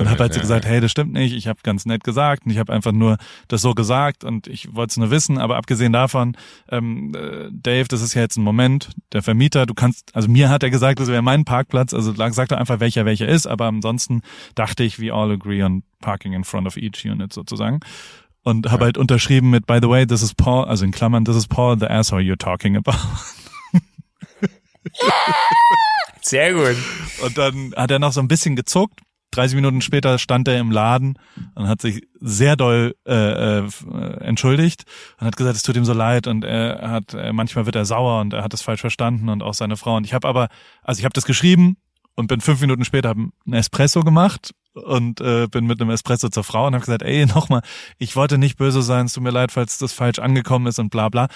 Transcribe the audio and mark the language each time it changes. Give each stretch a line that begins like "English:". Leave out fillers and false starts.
German: und habe halt so gesagt, hey, das stimmt nicht. Ich habe ganz nett gesagt und ich habe einfach nur das so gesagt und ich wollte es nur wissen. Aber abgesehen davon, Dave, das ist ja jetzt ein Moment. Der Vermieter, du kannst, also mir hat er gesagt, das wäre mein Parkplatz. Also sag doch einfach, welcher ist. Aber ansonsten dachte ich,
English: we all agree on parking in front of each unit
German: sozusagen. Und habe halt unterschrieben mit,
English: by the way, this is Paul,
German: also in Klammern,
English: this is Paul, the asshole you're talking about.
German: Sehr gut. Und dann hat er noch so ein bisschen gezuckt, 30 Minuten später stand er im Laden und hat sich sehr doll entschuldigt und hat gesagt, es tut ihm so leid und er hat manchmal wird er sauer und er hat es falsch verstanden und auch seine Frau. Und ich habe aber, also ich habe das geschrieben und bin 5 Minuten später, habe einen Espresso gemacht und bin mit einem Espresso zur Frau und habe gesagt, ey, nochmal, ich wollte nicht böse sein, es tut mir leid, falls das falsch angekommen ist und bla bla.